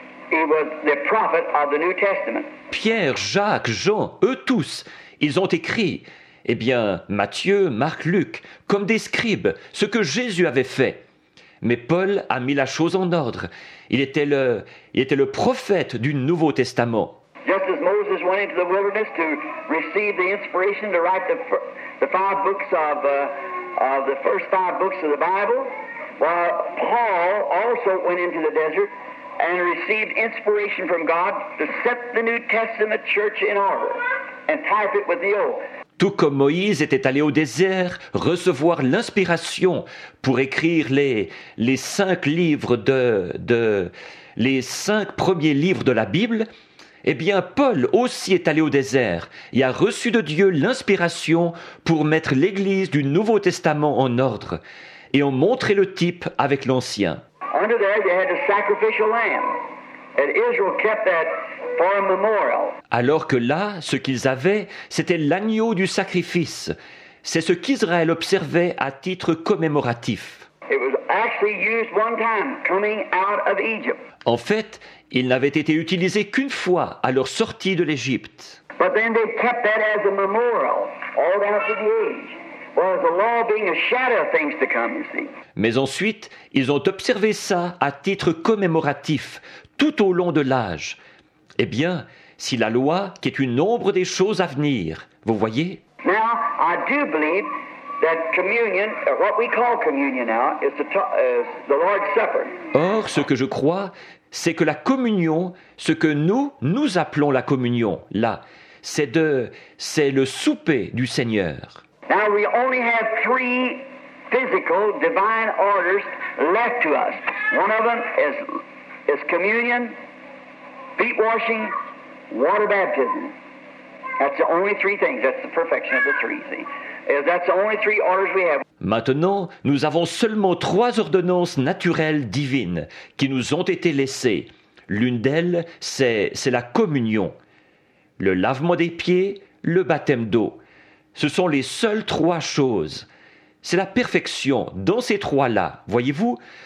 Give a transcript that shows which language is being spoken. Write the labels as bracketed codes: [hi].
[en] He was the prophet of the New Testament. [fr] Pierre, Jacques, Jean, eux tous, ils ont écrit. Eh bien, Matthieu, Marc, Luc, comme des scribes, ce que Jésus avait fait. Mais Paul a mis la chose en ordre. Il était le prophète du Nouveau Testament. [en] Just as Moses went into the wilderness to receive the inspiration to write the five books of the first five books of the Bible, while Paul also went into the desert and received inspiration from God to set the New Testament church in order and type it with the old. [fr] Tout comme Moïse était allé au désert recevoir l'inspiration pour écrire les cinq livres de les cinq premiers livres de la Bible, eh bien Paul aussi est allé au désert et a reçu de Dieu l'inspiration pour mettre l'Église du Nouveau Testament en ordre et en montrer le type avec l'Ancien. [en] Under there they had a sacrificial lamb. And Israel kept that for a memorial. [fr] Alors que là, ce qu'ils avaient, c'était l'agneau du sacrifice. C'est ce qu'Israël observait à titre commémoratif. [en] It was actually used one time coming out of Egypt. [fr] En fait, il n'avait été utilisé qu'une fois à leur sortie de l'Égypte. [en] But then they kept that as a memorial all down through the age. Well, the law being a shadow of things to come, you see. [fr] Mais ensuite, ils ont observé ça à titre commémoratif. Tout au long de l'âge, eh bien, si la loi qui est une ombre des choses à venir, vous voyez? [en] Now, I do believe that communion, what we call communion now, is the Lord's Supper. [fr] Or, ce que je crois, c'est que la communion, ce que nous appelons la communion, là, c'est le souper du Seigneur. [en] Now, we only have three physical divine orders left to us. One of them is... It's communion, feet washing, water baptism. That's the only three things. That's the perfection of the three, see. That's the only three orders we have. [fr] Maintenant, nous avons seulement trois ordonnances naturelles divines qui nous ont été laissées. L'une d'elles, c'est la communion. Le lavement des pieds, le baptême d'eau. Ce sont les seules trois choses. C'est la perfection dans ces trois-là, voyez-vous?